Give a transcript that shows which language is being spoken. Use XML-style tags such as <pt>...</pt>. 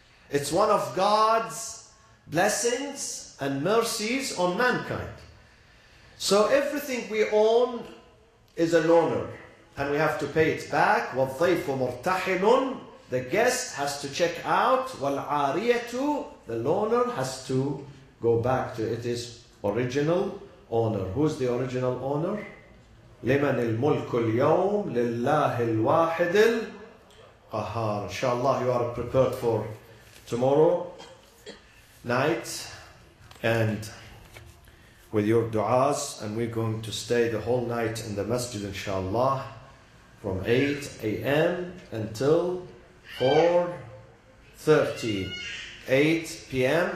<en>It's one of God's blessings and mercies on mankind. So everything we own is a loaner. and we have to pay it back.</en> <ar>والضيف مرتحل,</ar> <en>the guest has to check out. والعارية, the loaner has to go back to it is original owner. Who's the original owner?</en> <ar>لمن الملك اليوم لله الواحد القهار.</ar> <en>Inshallah, you are prepared for tomorrow night and with your du'as, and we're going to stay the whole night in the masjid inshallah from 8 a.m. until 4:30, 8 p.m.</en>